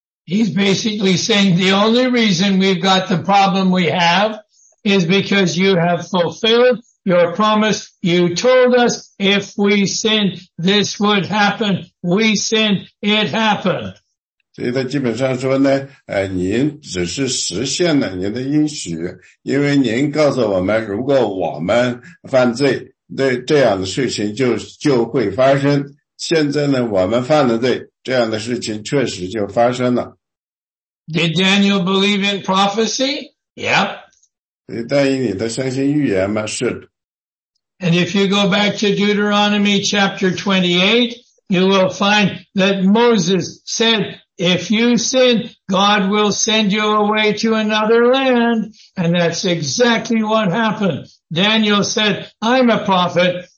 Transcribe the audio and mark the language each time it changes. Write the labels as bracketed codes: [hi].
[en] He's basically saying the only reason we've got the problem we have is because you have fulfilled your promise. You told us if we sinned, this would happen. We sinned, it happened. [zh] 所以他基本上说呢，您只是实现了您的应许，因为您告诉我们，如果我们犯罪，对这样的事情就会发生。现在呢，我们犯了罪，这样的事情确实就发生了。 [en] Did Daniel believe in prophecy? Yep. [zh] 所以但以理的相信预言吗？是的。 [en] And if you go back to Deuteronomy chapter 28, you will find that Moses said, if you sin, God will send you away to another land. And that's exactly what happened. Daniel said, I'm a prophet.